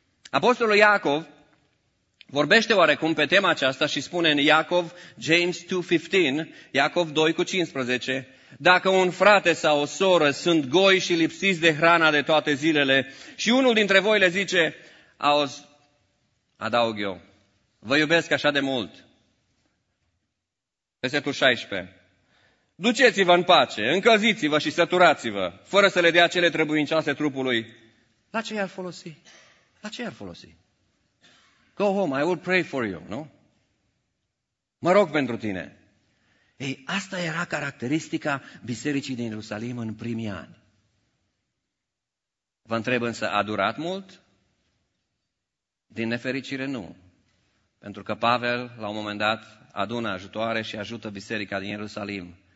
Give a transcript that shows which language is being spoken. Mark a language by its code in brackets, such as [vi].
[ro] Apostolul Iacov vorbește oarecum pe tema aceasta și spune în Iacov, James 2:15, Iacov 2:15, dacă un frate sau o soră sunt goi și lipsiți de hrana de toate zilele și unul dintre voi le zice, auzi, adaug eu, vă iubesc așa de mult. Versetul 16. Duceți-vă în pace, încălziți-vă și săturați-vă, fără să le dea cele trebuincioase trupului. La ce i-ar folosi? La ce i-ar folosi? [en] Go home, I will pray for you, nu? [ro] Mă rog pentru tine. Ei, asta era caracteristica bisericii din Ierusalim în primii ani. Vă întreb însă, a durat mult? Din nefericire, nu. Pentru că Pavel, la un moment dat, adună ajutoare și ajută biserica din Ierusalim.